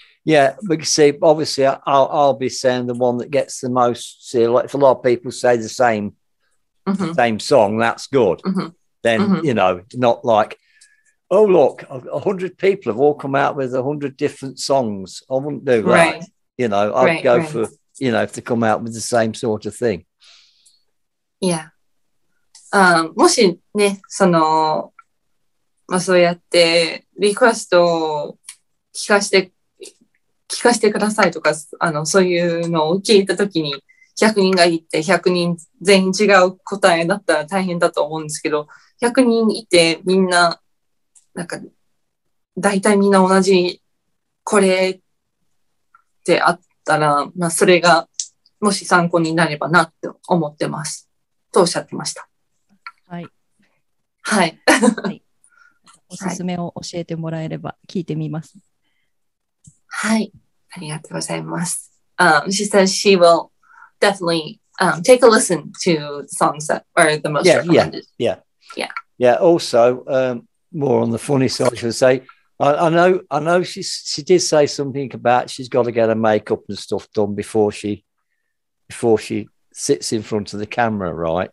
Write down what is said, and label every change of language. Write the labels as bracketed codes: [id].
[en] Yeah, we can see, obviously, I'll be saying the one that gets the most, see, like if a lot of people say the same, mm-hmm. same song, that's good. Mm-hmm. Then, mm-hmm. you know, not like, oh, look, 100 people have all come out with 100 different songs. I wouldn't do that. Right. You know, I'd right, go right. for, you know, if they come out with the same sort of thing. Yeah. [ja] もしね、その、まあ、そうやって、リクエストを聞かせてくださいとか、そういうのを聞いたときに、100人がいて、100人全員違う答えだったら大変だと思うんですけど、100人いて、みんな、なんか、大体みんな同じ、これってあったら、まあ、それが、もし参考になればなって思ってます。とおっしゃってました。はい、はい。おすすめを教えてもらえれば聞いてみます。はい。ありがとうございます。 [en] She says she will definitely take a listen to songs that are the most recommended. Yeah. Also, more on the funny side, she would say, I know she did say something about she's got to get her makeup and stuff done before she sits in front of the camera, right?